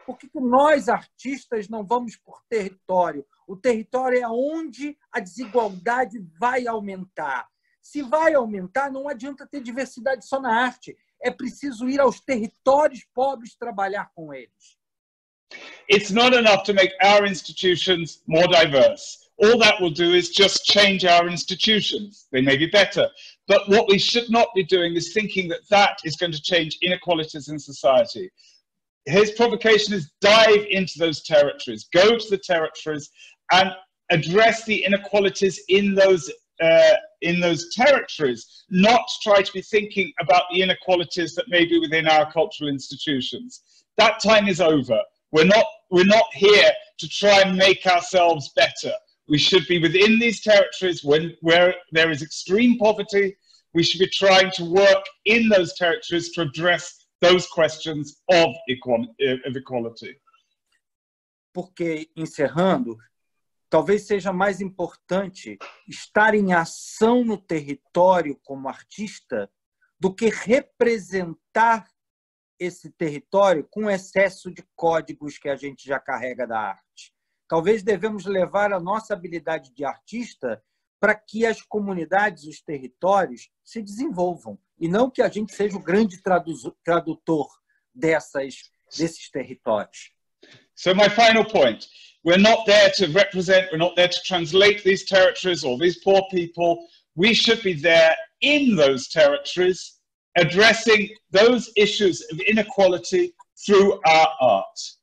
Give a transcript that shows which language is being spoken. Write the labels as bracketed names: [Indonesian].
[Portuguese] Por que nós, artistas, não vamos por território? O território é onde a desigualdade vai aumentar. Se vai aumentar, não adianta ter diversidade só na arte. É preciso ir aos territórios pobres trabalhar com eles. [English] It's not enough to make our institutions more diverse. All that will do is just change our institutions. They may be better. But what we should not be doing is thinking that that is going to change inequalities in society. His provocation is dive into those territories, go to the territories and address the inequalities in those territories, not try to be thinking about the inequalities that may be within our cultural institutions. That time is over. We're not here to try and make ourselves better. We should be within these territories where there is extreme poverty. We should be trying to work in those territories to address those questions of equality. [Portuguese] Porque, encerrando, talvez seja mais importante estar em ação no território como artista do que representar esse território com excesso de códigos que a gente já carrega da arte. Talvez devemos levar a nossa habilidade de artista para que as comunidades, os territórios, se desenvolvam, e não que a gente seja o grande tradutor desses territórios. [English] So my final point, we're not there to represent, we're not there to translate these territories or these poor people. We should be there in those territories addressing those issues of inequality through our art.